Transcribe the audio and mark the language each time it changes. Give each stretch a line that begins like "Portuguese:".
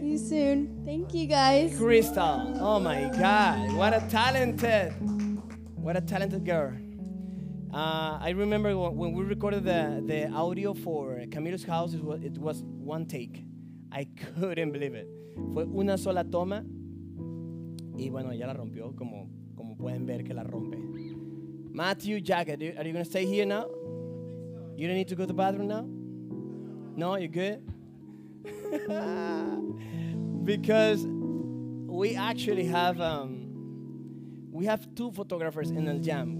English: See you soon. Thank you, guys. Krista. Oh, my God. What a talented girl. I remember when we recorded the audio for Camilo's house, it was one take. I couldn't believe it.
Spanish: Fue una sola toma. Y bueno, ya la rompió, como pueden ver que la rompe.
English: Matthew Jacket, are you going to stay here now? You don't need to go to the bathroom now? No, you're good? Because we actually have two photographers in El Jam.